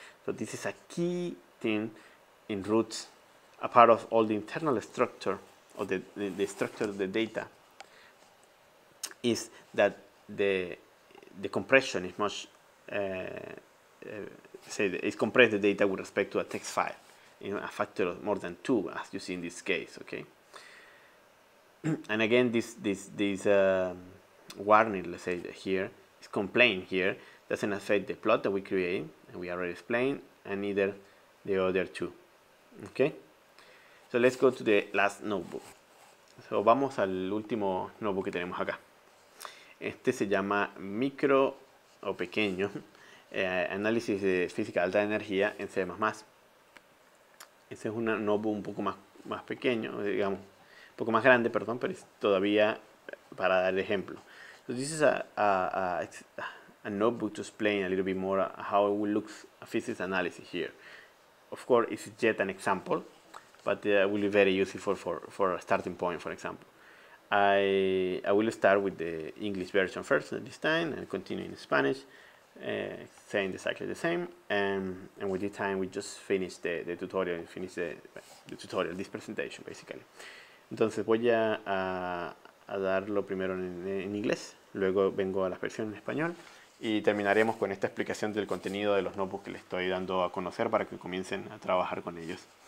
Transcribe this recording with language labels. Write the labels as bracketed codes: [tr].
[en] So this is a key thing in root, a part of all the internal structure of the structure of the data, is that the compression is much, it's compressed the data with respect to a text file in a factor of more than 2, as you see in this case, okay? And again, this warning, let's say, here, this complaint here, doesn't affect the plot that we create, and we already explained, and neither the other two, okay? So let's go to the last notebook. [es] So vamos al último notebook que tenemos acá. Este se llama micro o pequeño, análisis de física de alta energía en C++. Ese es un notebook un poco más pequeño, digamos, un poco más grande, perdón, pero es todavía para dar el ejemplo. [en] So this is a notebook to explain a little bit more how it will look a physics analysis here. Of course, it's yet an example, but it will be very useful for a starting point, for example. I will start with the English version first this time and continue in Spanish. Saying exactly the same, and with this time we just finished the tutorial, this presentation basically. [es] Entonces voy a darlo primero en inglés, luego vengo a la versión en español y terminaremos con esta explicación del contenido de los notebooks que les estoy dando a conocer para que comiencen a trabajar con ellos.